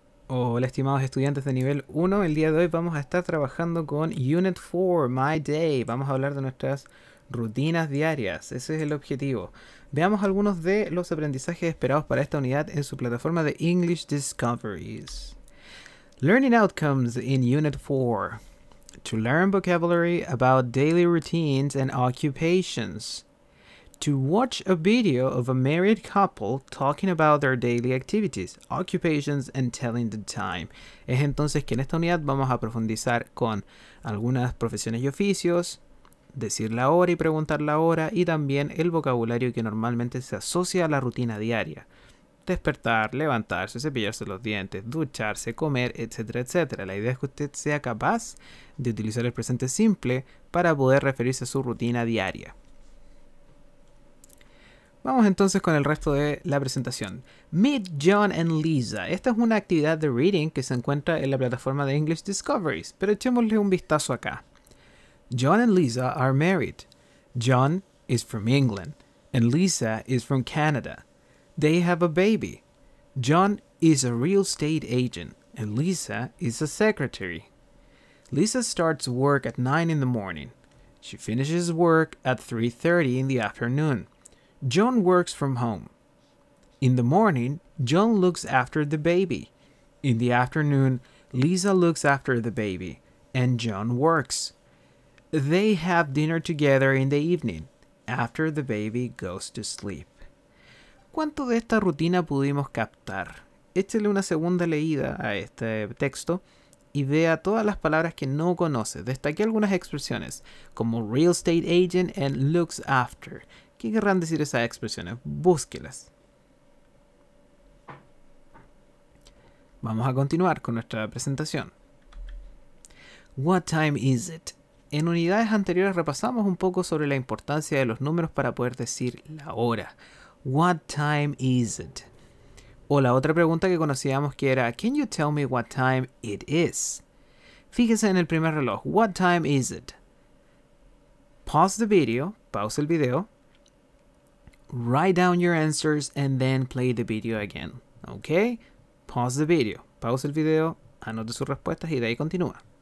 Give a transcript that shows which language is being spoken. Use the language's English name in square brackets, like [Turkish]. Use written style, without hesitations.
[Spanish] Hola, estimados estudiantes de nivel 1, el día de hoy vamos a estar trabajando con Unit 4, My Day. Vamos a hablar de nuestras rutinas diarias, ese es el objetivo. Veamos algunos de los aprendizajes esperados para esta unidad en su plataforma de English Discoveries. [English] Learning outcomes in Unit 4. To learn vocabulary about daily routines and occupations. To watch a video of a married couple talking about their daily activities, occupations, and telling the time. [Spanish] Es entonces que en esta unidad vamos a profundizar con algunas profesiones y oficios, decir la hora y preguntar la hora, y también el vocabulario que normalmente se asocia a la rutina diaria. Despertar, levantarse, cepillarse los dientes, ducharse, comer, etcétera, etcétera. La idea es que usted sea capaz de utilizar el presente simple para poder referirse a su rutina diaria. Vamos entonces con el resto de la presentación. [English] Meet John and Lisa. [Spanish] Esta es una actividad de reading que se encuentra en la plataforma de English Discoveries, pero echémosle un vistazo acá. [English] John and Lisa are married. John is from England and Lisa is from Canada. They have a baby. John is a real estate agent and Lisa is a secretary. Lisa starts work at 9 in the morning. She finishes work at 3:30 in the afternoon. John works from home. In the morning, John looks after the baby. In the afternoon, Lisa looks after the baby, and John works. They have dinner together in the evening, after the baby goes to sleep. [Spanish] ¿Cuánto de esta rutina pudimos captar? Échale una segunda leída a este texto y vea todas las palabras que no conoce. Destaque algunas expresiones, como real estate agent and looks after. ¿Qué querrán decir esas expresiones? Búsquelas. Vamos a continuar con nuestra presentación. [English] What time is it? [Spanish] En unidades anteriores repasamos un poco sobre la importancia de los números para poder decir la hora. [English] What time is it? [Spanish] O la otra pregunta que conocíamos que era, [English] can you tell me what time it is? [Spanish] Fíjese en el primer reloj. [English] What time is it? Pause the video. [Spanish] Pause el video. [English] Write down your answers and then play the video again. Ok, pause the video. [Spanish] Pause el video, anote sus respuestas y de ahí continúa.